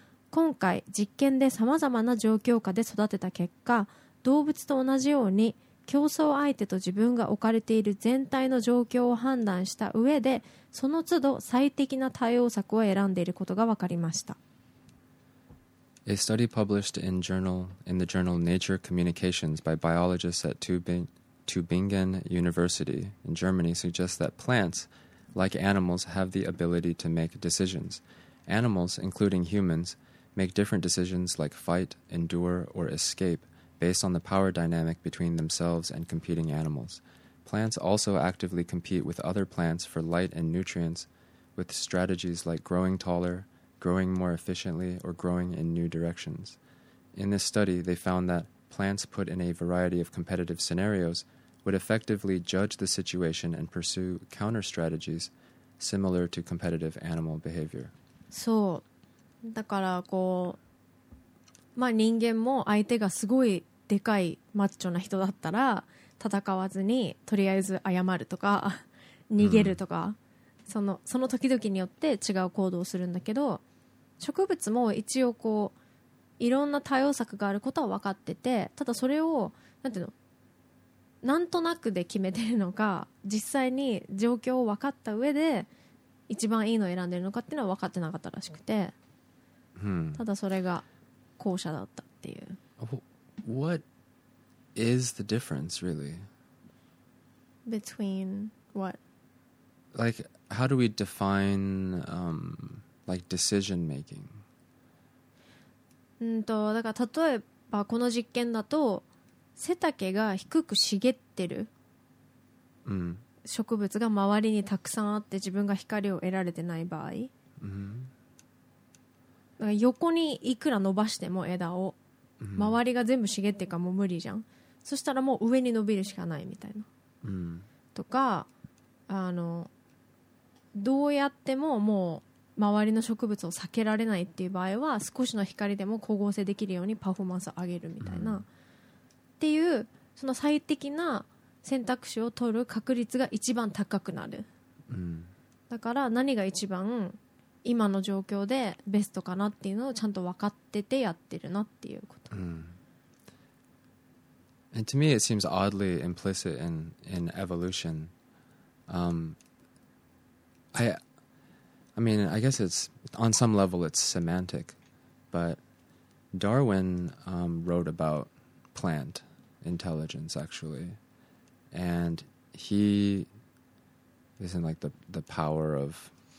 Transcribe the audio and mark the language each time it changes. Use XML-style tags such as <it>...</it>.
<ja>今回実験で様々な状況下で育てた結果、動物と同じように競争相手と自分が置かれている全体の状況を判断した上で、その都度最適な対応策を選んでいることが分かりました。</ja> <en>A study published in the journal Nature Communications by biologists at Tübingen University in Germany suggests that plants, like animals, have the ability to make decisions. Animals, including humans, make different decisions like fight, endure, or escape based on the power dynamic between themselves and competing animals. Plants also actively compete with other plants for light and nutrients with strategies like growing taller, growing more efficiently, or growing in new directions. In this study, they found that plants put in a variety of competitive scenarios would effectively judge the situation and pursue counter strategies similar to competitive animal behavior.</en> <ja>So, だからこう、まあ人間も相手がすごいでかいマッチョな人だったら戦わずにとりあえず謝るとか逃げるとか、その時々によって違う行動をするんだけど、植物も一応こういろんな対応策があることは分かってて、ただそれをなんていうの、なんとなくで決めてるのか、実際に状況を分かった上で一番いいのを選んでるのかっていうのは分かってなかったらしくて、ただそれが後者だったっていう。</ja> <en>What is the difference really? Between what? Like how do we define like decision making?</en> <ja>だから例えばこの実験だと背丈が低く茂ってる、植物が周りにたくさんあって自分が光を得られてない場合、だから横にいくら伸ばしても枝を、周りが全部茂ってるかもう無理じゃん。そしたらもう上に伸びるしかないみたいな、とかどうやってももう周りの植物を避けられないっていう場合は少しの光でも光合成できるようにパフォーマンスを上げるみたいな、っていうその最適な選択肢を取る確率が一番高くなる、だから何が一番今の状況でベストかなっていうのをちゃんと分かっててやってるなっていうこと、</ja> <en>And to me it seems oddly implicit in evolution. I mean, I guess it's on some level it's semantic, but Darwin wrote about plant intelligence actually, and he isn't like the power of</en>